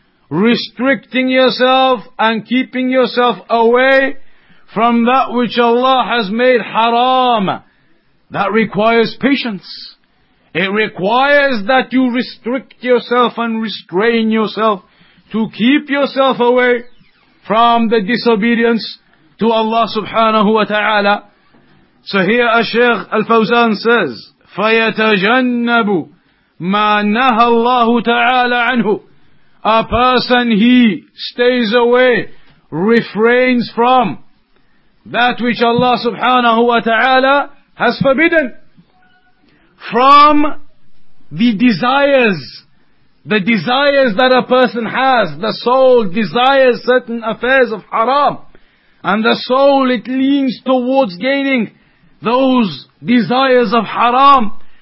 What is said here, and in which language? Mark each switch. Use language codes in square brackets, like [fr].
[en] Restricting yourself and keeping yourself away from that which Allah has made haram. That requires patience. It requires that you restrict yourself and restrain yourself to keep yourself away from the disobedience to Allah subhanahu wa ta'ala. So here Ash-Shaykh Al-Fawzan says, [ar] فَيَتَجَنَّبُ مَا نَهَى اللَّهُ تَعَالَى عَنْهُ. [en] A person, he stays away, refrains from that which Allah subhanahu wa ta'ala has forbidden. From the desires that a person has, the soul desires certain affairs of haram, and the soul, it leans towards gaining those desires of haram.